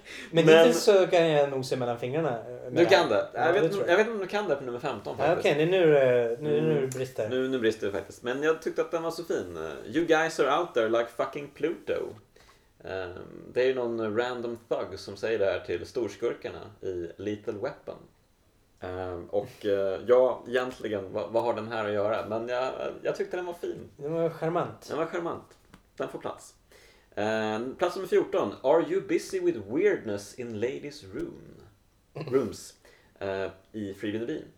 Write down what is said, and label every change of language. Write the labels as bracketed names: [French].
[Swedish] Men inte så kan jag nog se mellan fingrarna. Du kan det. Jag vet inte om du kan det på nummer 15 faktiskt. Okej, nu brister det. Nu brister det faktiskt. Men jag tyckte att den var så fin. [English] You guys are out there like fucking Pluto. [Swedish] Det är ju någon random thug som säger det här till storskurkarna i Little Weapon. Och ja, egentligen, vad har den här att göra? Men jag tyckte den var fin. Den var charmant. Den får plats. Plats nummer 14. [English] Are you busy with weirdness in ladies' rooms? [Swedish] i Freebie & Bean.